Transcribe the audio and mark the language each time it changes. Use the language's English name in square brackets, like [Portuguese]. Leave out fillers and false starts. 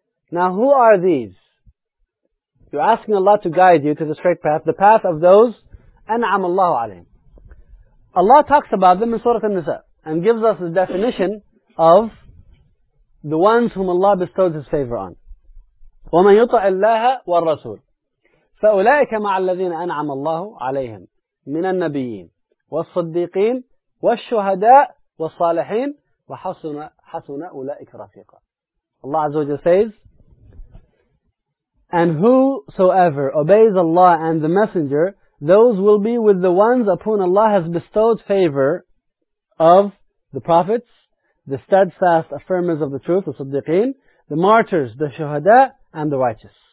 [English] Now who are these? You're asking Allah to guide you to the straight path. The path of those, [Arabic] أنعم الله عليهم. [English] Allah talks about them in Surah An-Nisa and gives us the definition of the ones whom Allah bestowed His favor on. [Arabic] وَمَنْ يُطَعِ اللَّهَ وَالرَّسُولِ فَأُولَئِكَ مَعَ الَّذِينَ أَنْعَمَ اللَّهُ عَلَيْهِمْ مِنَ النَّبِيِّينَ والصديقين والشهداء والصالحين وحسن أولئك رفيقا. [English] Allah Azza wa Jalla says, and whosoever obeys Allah and the Messenger, those will be with the ones upon Allah has bestowed favor of the prophets, the steadfast affirmers of the truth, the صديقين, the martyrs, the شهداء, and the righteous.